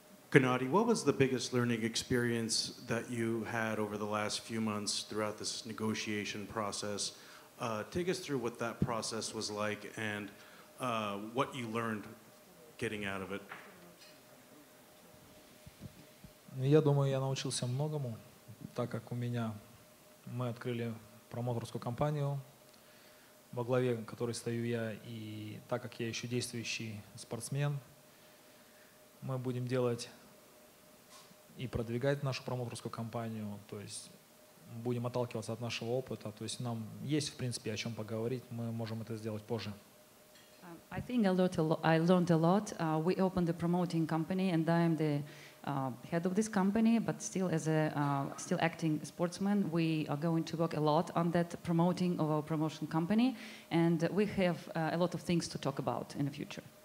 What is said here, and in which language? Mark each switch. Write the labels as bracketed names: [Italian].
[English] Gennady, what was the biggest learning experience that you had over the last few months throughout this negotiation process? Take us through what that process was like and what you learned getting out of it. [Russian] Я думаю, я научился многому, так как у меня мы открыли промоторскую компанию. Во главе, которой стою я, и так как я еще действующий спортсмен, мы будем делать и продвигать нашу промоутерскую компанию, то есть будем отталкиваться от нашего опыта, то есть нам есть, в принципе, о чем поговорить, мы можем это сделать позже. [English] I think I learned a lot. We opened a promoting company, and I am the head of this company, but still as a still acting sportsman, we are going to work a lot on that promoting of our promotion company, and we have a lot of things to talk about in the future.